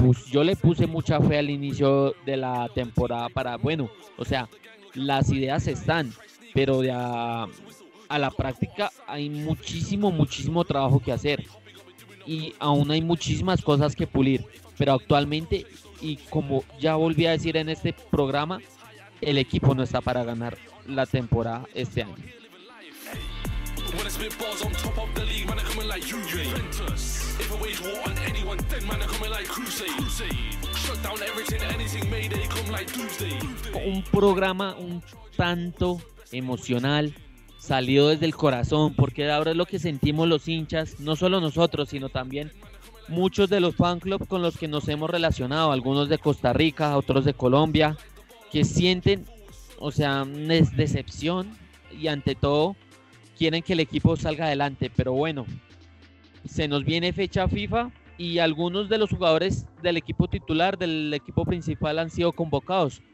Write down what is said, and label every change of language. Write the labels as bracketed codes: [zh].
[es] Yo le puse mucha fe al inicio de la temporada para, bueno, o sea, las ideas están, pero de a la práctica hay muchísimo, muchísimo trabajo que hacer y aún hay muchísimas cosas que pulir, pero actualmente, y como ya volví a decir en este programa, el equipo no está para ganar la temporada este año. [en] When I spit bars on top of the league, man, I come in like Juventus. If I wage war on anyone, then man, I come in like Crusade. Shut down everything, anything made, they come like Tuesday. [es] Un programa un tanto emocional, salió desde el corazón, porque ahora es lo que sentimos los hinchas, no solo nosotros, sino también muchos de los fan clubs con los que nos hemos relacionado, algunos de Costa Rica, otros de Colombia, que sienten, o sea, es decepción y ante todo quieren que el equipo salga adelante, pero bueno, se nos viene fecha FIFA y algunos de los jugadores del equipo titular, del equipo principal, han sido convocados.